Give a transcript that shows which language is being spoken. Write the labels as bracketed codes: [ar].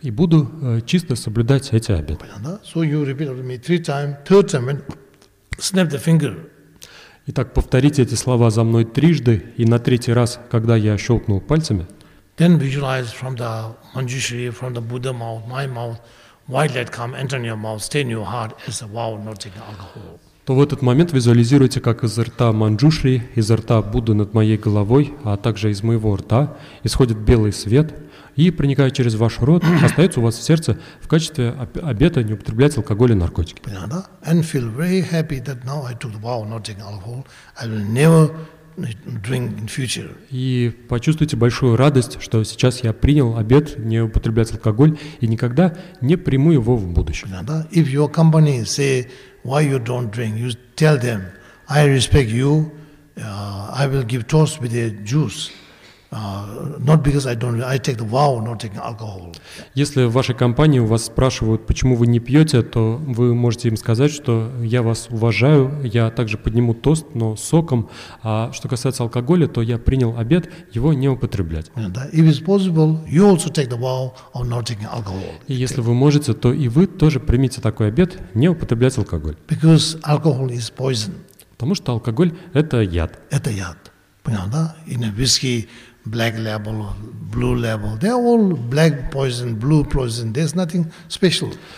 [ru] И буду чисто соблюдать эти обеты. Понятно? [en] So you repeat after me three times, third time, and snap the finger. [ru] Итак, повторите эти слова за мной трижды, и на третий раз, когда я щелкнул пальцами. [en] Then visualize from the Manjushri, from the Buddha mouth, my mouth, white light come, enter in your mouth, stay in your heart as a vow not taking alcohol. [ru] То в этот момент визуализируйте, как из рта Манджушри, из рта Будды над моей головой, а также из моего рта исходит белый свет, и проникая через ваш рот, остается у вас в сердце в качестве обета не употреблять алкоголь и наркотики. Понятно? [en] And feel very happy that now I took the vow not taking alcohol, I will never drink in future. [ru] И почувствуйте большую радость, что сейчас я принял обет не употреблять алкоголь и никогда не приму его в будущем. Понятно? [en] If your company say why you don't drink, you tell them, I respect you, I will give toast with a juice. Not because I take the vow of not taking alcohol. [ru] Если в вашей компании у вас спрашивают, почему вы не пьете, то вы можете им сказать, что я вас уважаю, я также подниму тост, но соком. А что касается алкоголя, то я принял обет его не употреблять. [en] If it's possible, you also take the vow of not taking alcohol. [ru] И если вы можете, то и вы тоже примите такой обет не употреблять алкоголь. [en] Because alcohol is poison. [ru] Потому что алкоголь – это яд. Это яд. Понятно, да? [en] In a whiskey, black label, blue label. They're all black poison, blue poison. There's nothing special.